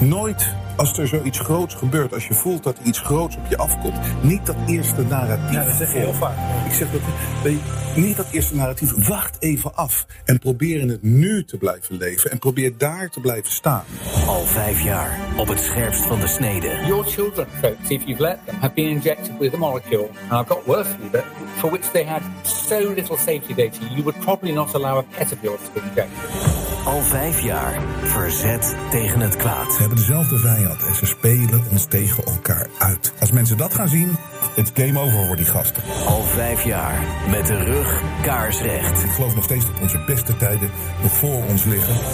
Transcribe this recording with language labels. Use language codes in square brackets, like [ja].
[nl] Nooit als er zoiets groots gebeurt, als je voelt dat iets groots op je afkomt, niet dat eerste narratief. Ja, dat zeg je heel vaak. Ik zeg dat niet dat eerste narratief. Wacht even af en probeer in het nu te blijven leven en probeer daar te blijven staan. Al vijf jaar op het scherpst van de snede. [en] Your children, folks, if you've let them, have been injected with a molecule. And I've got word for you that for which they had so little safety data, you would probably not allow a pet of yours to be injected. [nl] Al vijf jaar verzet tegen het kwaad. Ze hebben dezelfde vijand en ze spelen ons tegen elkaar uit. Als mensen dat gaan zien, het game over voor die gasten. Al vijf jaar met de rug kaarsrecht. Ik geloof nog steeds dat onze beste tijden nog voor ons liggen.